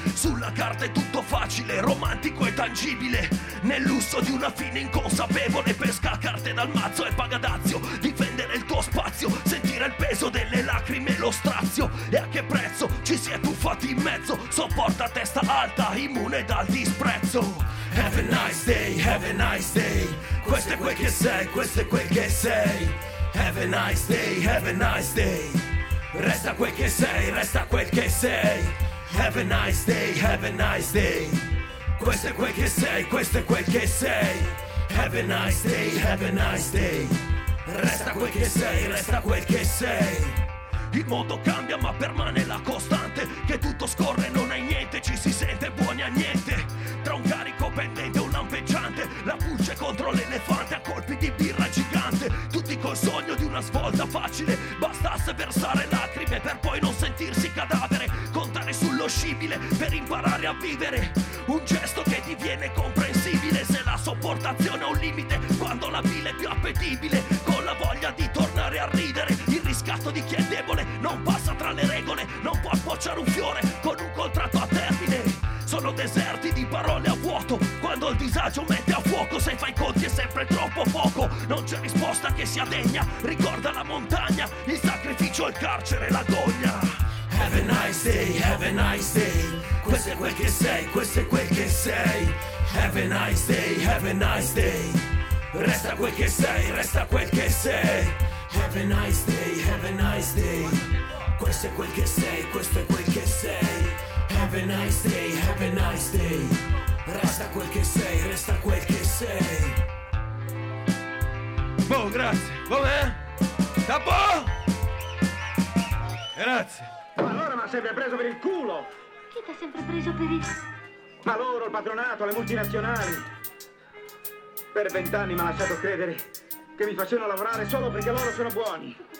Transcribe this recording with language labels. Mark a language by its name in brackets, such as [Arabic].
[Italian] Sulla carta è tutto facile, romantico e tangibile, nel lusso di una fine inconsapevole. Pesca carte dal mazzo e paga dazio. Difendere il tuo spazio, sentire il peso delle lacrime e lo strazio. E a che prezzo ci si è tuffati in mezzo? Sopporta testa alta, immune dal disprezzo. [English] Have a nice day, have a nice day. [Italian] Questo è quel che sei, questo è quel che sei. [English] Have a nice day, have a nice day. [Italian] Resta quel che sei, resta quel che sei. [English] Have a nice day, have a nice day. [Italian] Questo è quel che sei, questo è quel che sei. [English] Have a nice day, have a nice day. [Italian] Resta quel che sei, resta quel che sei. Il mondo cambia ma permane la costante. Che tutto scorre e non hai niente. Ci si sente buoni a niente. Tra un carico pendente e un lampeggiante. La pulce contro l'elefante a colpi di birra gigante. Tutti col sogno di una svolta facile. Bastasse versare lacrime per poi non sentirsi cadavere. Contare sullo scibile per imparare a vivere. Un gesto che diviene comprensibile. Se la sopportazione ha un limite, quando la bile è più appetibile. Con la voglia di tornare a ridere. Scatto di chi è debole, non passa tra le regole. Non può sbocciare un fiore con un contratto a termine. Sono deserti di parole a vuoto, quando il disagio mette a fuoco. Se fai conti è sempre troppo poco. Non c'è risposta che sia degna. Ricorda la montagna, il sacrificio, il carcere, la gogna. [English] Have a nice day, have a nice day. [Italian] Questo è quel che sei, questo è quel che sei. [English] Have a nice day, have a nice day. [Italian] Resta quel che sei, resta quel che sei. [English] Have a nice day, have a nice day. [Italian] Questo è quel che sei, questo è quel che sei. [English] Have a nice day, have a nice day. [Italian] Resta quel che sei, resta quel che sei. Boh, grazie. Com'è? Da boh! Grazie. Ma allora mi ha sempre preso per il culo! Chi ti ha sempre preso per il... Ma loro, il patronato, le multinazionali. Per 20 anni mi ha lasciato credere che mi facevano lavorare solo perché loro sono buoni.